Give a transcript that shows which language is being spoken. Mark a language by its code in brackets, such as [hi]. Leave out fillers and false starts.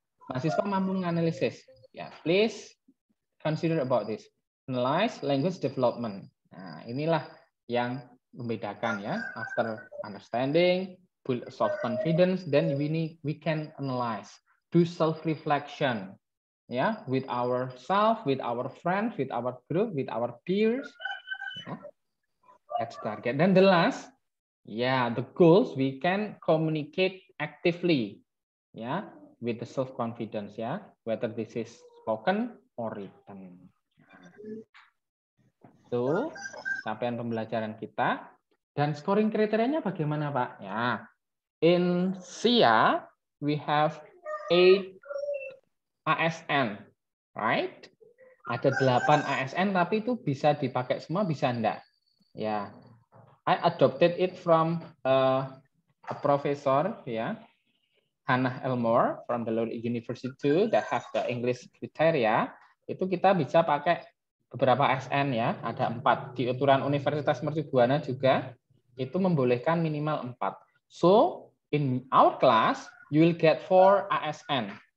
[en] Mahasiswa mampu menganalisis, ya. Yeah, please consider about this. [id] Analyze language development. Nah, inilah yang membedakan ya. [en] After understanding, build self confidence, then we can analyze, do self reflection, ya, yeah, with ourselves, with our friends, with our group, with our peers. Yeah. That's target. Then the last, ya, yeah, the goals we can communicate actively, ya, yeah, with the self confidence, ya, yeah, whether this is spoken or written. [id] Itu capaian pembelajaran kita dan scoring kriterianya bagaimana Pak? [en] Ya, in SIA we have 8 ASN, right? [id] Ada 8 ASN tapi itu bisa dipakai semua bisa enggak? [en] Ya, I adopted it from a professor, ya, Hannah Elmore from the Lund University that have the English criteria. [id] Itu kita bisa pakai beberapa ASN ya, ada 4 di aturan Universitas Mercubuana juga itu membolehkan minimal 4. [en] So in our class you will get 4 ASN.